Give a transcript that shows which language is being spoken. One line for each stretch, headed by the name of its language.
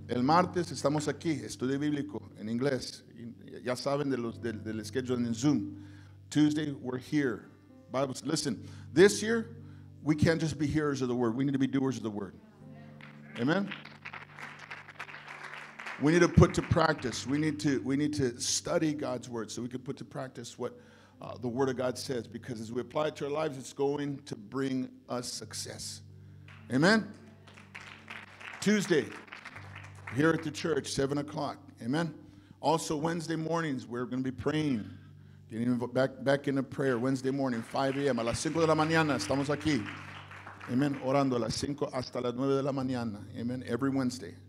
Spanish: El martes estamos aquí, estudio bíblico en inglés. Ya saben del schedule en Zoom.
English: Tuesday, we're here. Bibles, listen, this year, we can't just be hearers of the word. We need to be doers of the word. Amen? We need to put to practice. We need to study God's word so we can put to practice what the word of God says. Because as we apply it to our lives, it's going to bring us success. Amen? Tuesday. Here at the church, 7 o'clock. Amen. Also, Wednesday mornings, we're going to be praying. Getting back into prayer. Wednesday morning, 5 a.m.
Spanish: A las 5 de la mañana, estamos aquí. Amen. Orando a las 5 hasta las 9 de la mañana. Amen.
English: Every Wednesday.